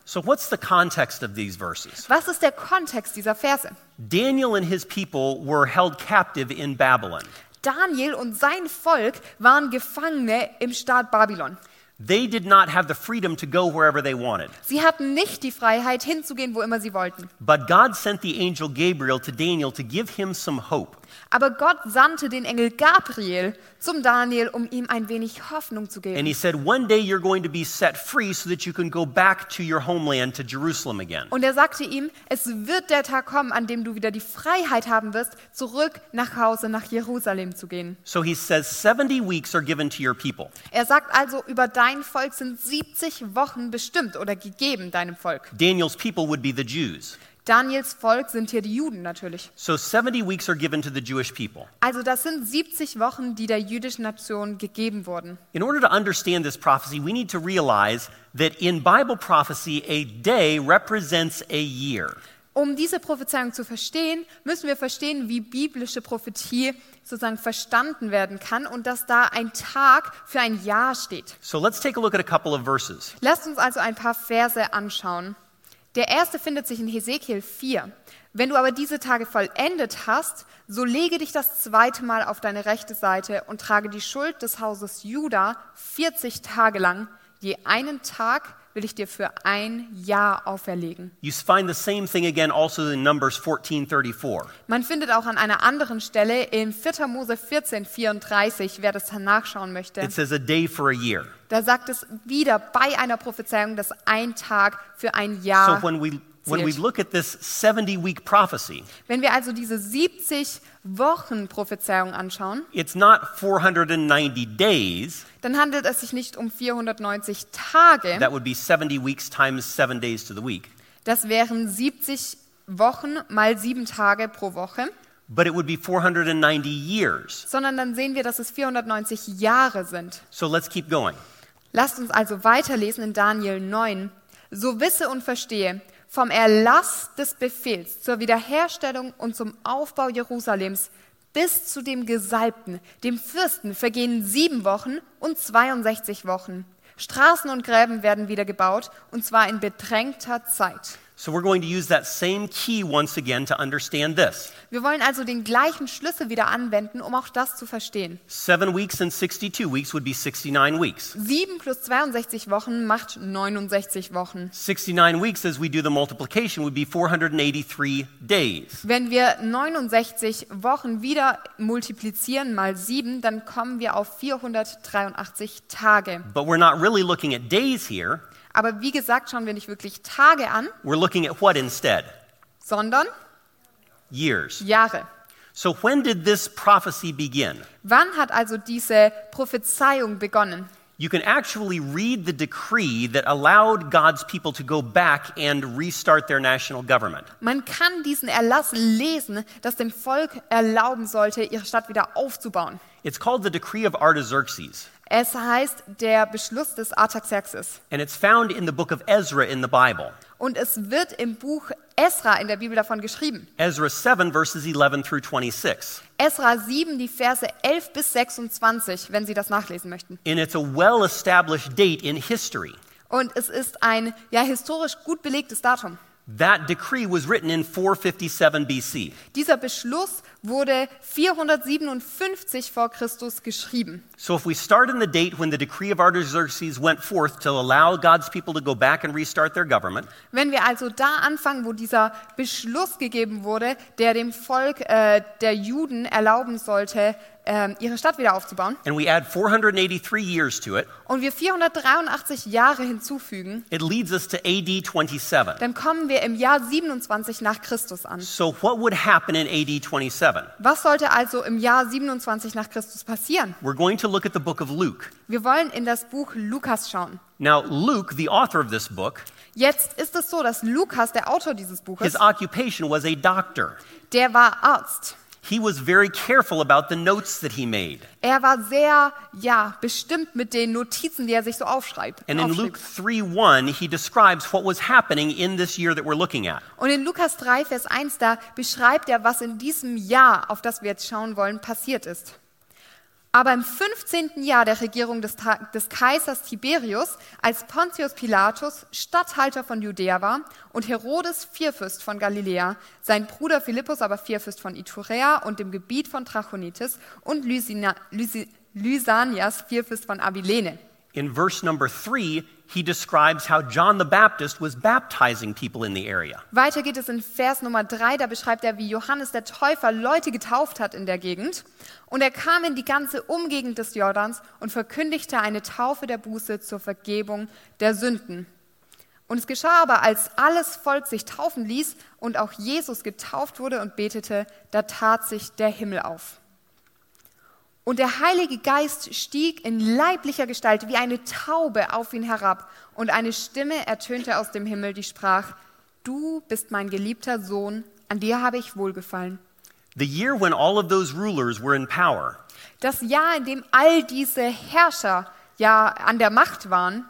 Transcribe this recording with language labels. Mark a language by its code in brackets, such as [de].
[en] So what's the context of these verses? [de] Was ist der Kontext dieser Verse? [en] Daniel and his people were held captive in Babylon. [de] Daniel und sein Volk waren Gefangene im Staat Babylon. [en] They did not have the freedom to go wherever they wanted. [de] Sie hatten nicht die Freiheit hinzugehen, wo immer sie wollten. [en] But God sent the angel Gabriel to Daniel to give him some hope. [de] Aber Gott sandte den Engel Gabriel zum Daniel, um ihm ein wenig Hoffnung zu geben. [en] And he said, "One day you're going to be set free so that you can go back to your homeland to Jerusalem again." [de] Und er sagte ihm, es wird der Tag kommen, an dem du wieder die Freiheit haben wirst, zurück nach Hause nach Jerusalem zu gehen. [en] So he says, 70 weeks are given to your people. [de] Er sagt also, über dein Volk sind 70 Wochen bestimmt oder gegeben deinem Volk. [en] Daniel's people would be the Jews. [de] Daniels Volk sind hier die Juden natürlich. [en] So 70 weeks are given to the Jewish people. [de] Also das sind 70 Wochen, die der jüdischen Nation gegeben wurden. [en] In order to understand this prophecy, we need to realize that in Bible prophecy a day represents a year. [de] Um diese Prophezeiung zu verstehen, müssen wir verstehen, wie biblische Prophetie sozusagen verstanden werden kann und dass da ein Tag für ein Jahr steht. [en] So let's take a look at a couple of verses. [de] Lasst uns also ein paar Verse anschauen. Der erste findet sich in Hesekiel 4. Wenn du aber diese Tage vollendet hast, so lege dich das zweite Mal auf deine rechte Seite und trage die Schuld des Hauses Juda 40 Tage lang. Je einen Tag will ich dir für ein Jahr auferlegen. [en] You find the same thing again also in Numbers 14:34. [de] Man findet auch an einer anderen Stelle in 4. Mose 14:34, wer das nachschauen möchte. [en] It says a day for a year. [de] Da sagt es wieder bei einer Prophezeiung, dass ein Tag für ein Jahr zählt. [en] So when we look at this 70-week prophecy, [de] wenn wir also diese 70 Wochen Prophezeiung anschauen, [en] it's not 490 days, [de] dann handelt es sich nicht um 490 Tage. [en] That would be 70 weeks times 7 days to the week. [de] Das wären 70 Wochen mal 7 Tage pro Woche. [en] But it would be 490 years. [de] Sondern dann sehen wir, dass es 490 Jahre sind. [en] So let's keep going. [de] Lasst uns also weiterlesen in Daniel 9. So wisse und verstehe, vom Erlass des Befehls zur Wiederherstellung und zum Aufbau Jerusalems bis zu dem Gesalbten, dem Fürsten, vergehen 7 Wochen und 62 Wochen. Straßen und Gräben werden wieder gebaut, und zwar in bedrängter Zeit. [en] So we're going to use that same key once again to understand this. [de] Wir wollen also den gleichen Schlüssel wieder anwenden, um auch das zu verstehen. [en] 7 weeks and 62 weeks would be 69 weeks. [de] 7 plus 62 Wochen macht 69 Wochen. [en] 69 weeks, as we do the multiplication, would be 483 days. [de] Wenn wir 69 Wochen wieder multiplizieren mal 7, dann kommen wir auf 483 Tage. [en] But we're not really looking at days here. [de] Aber wie gesagt, schauen wir nicht wirklich Tage an. [en] We're looking at what instead? [de] Sondern? [en] Years. [de] Jahre. [en] So when did this prophecy begin? [de] Wann hat also diese Prophezeiung begonnen? [en] You can actually read the decree that allowed God's people to go back and restart their national government. [de] Man kann diesen Erlass lesen, das dem Volk erlauben sollte, ihre Stadt wieder aufzubauen. [en] It's called the Decree of Artaxerxes. [de] Es heißt der Beschluss des Artaxerxes. [en] And it's found in the book of Ezra in the Bible. [de] Und es wird im Buch Ezra in der Bibel davon geschrieben. [en] Ezra 7 verses 11 through 26. [de] Ezra 7 die Verse 11 bis 26, wenn Sie das nachlesen möchten. [en] And it's a well established date in history. [de] Und es ist ein ja historisch gut belegtes Datum. [en] That decree was written in 457 BC. [de] Dieser Beschluss wurde 457 vor Christus geschrieben. [en] So if we start in the date when the decree of Artaxerxes went forth to allow God's people to go back and restart their government. [de] Wenn wir also da anfangen, wo dieser Beschluss gegeben wurde, der dem Volk der Juden erlauben sollte, ihre Stadt wieder aufzubauen. [en] And we add 483 years to it. [de] Und wir 483 Jahre hinzufügen. [en] It leads us to AD 27. [de] Dann kommen wir im Jahr 27 nach Christus an. [en] So what would happen in AD 27? [de] Was sollte also im Jahr 27 nach Christus passieren? [en] We're going to look at the book of Luke. [de] Wir wollen in das Buch Lukas schauen. [en] Now Luke, the author of this book, [de] jetzt ist es so, dass Lukas, der Autor dieses Buches, [en] his occupation was a doctor. [de] Der war Arzt. [en] He was very careful about the notes that he made. [de] Er war sehr, ja, bestimmt mit den Notizen, die er sich so aufschreibt. [en] And in Luke 3:1, he describes what was happening in this year that we're looking at. [de] Und in Lukas 3, Vers 1, da beschreibt er, was in diesem Jahr, auf das wir jetzt schauen wollen, passiert ist. Aber im 15. Jahr der Regierung des Kaisers Tiberius, als Pontius Pilatus Statthalter von Judäa war und Herodes Vierfürst von Galiläa, sein Bruder Philippus aber Vierfürst von Iturea und dem Gebiet von Trachonitis und Lysanias Vierfürst von Abilene. [en] In verse number 3, he describes how John the Baptist was baptizing people in the area. [de] Weiter geht es in Vers Nummer 3, da beschreibt er, wie Johannes der Täufer Leute getauft hat in der Gegend. Und er kam in die ganze Umgegend des Jordans und verkündigte eine Taufe der Buße zur Vergebung der Sünden. Und es geschah aber, als alles Volk sich taufen ließ und auch Jesus getauft wurde und betete, da tat sich der Himmel auf. Und der Heilige Geist stieg in leiblicher Gestalt wie eine Taube auf ihn herab. Und eine Stimme ertönte aus dem Himmel, die sprach, du bist mein geliebter Sohn, an dir habe ich wohlgefallen. [en] The year when all of those rulers were in power. [de] Das Jahr, in dem all diese Herrscher ja an der Macht waren.